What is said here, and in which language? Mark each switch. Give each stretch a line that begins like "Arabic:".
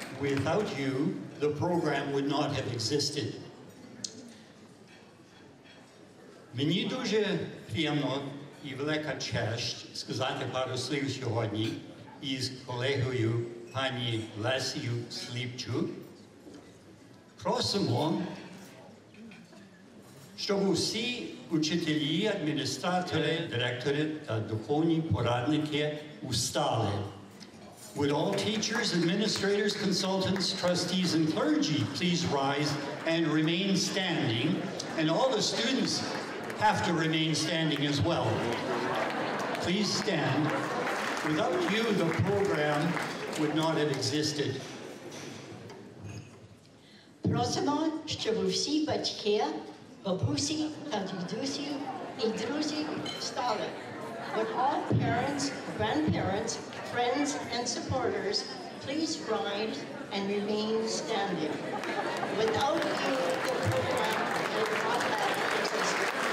English: Without you, the program would not have existed.
Ukrainian: Мені дуже приємно і велика честь сказати пару слів сьогодні із колегою пані Лесію Сліпчук. Просимо, щоб усі учителі, адміністратори, директори та духовні порадники устали.
English: Would all teachers, administrators, consultants, trustees, and clergy please rise and remain standing? And all the students have to remain standing as well. Please stand. Without you, the program would not have existed.
Ukrainian: Просимо, щоб усі батьки, бабусі та дідусі і друзі встали.
English: Would all parents, grandparents, friends, and supporters please rise and remain standing? Without you, the program would not have existed.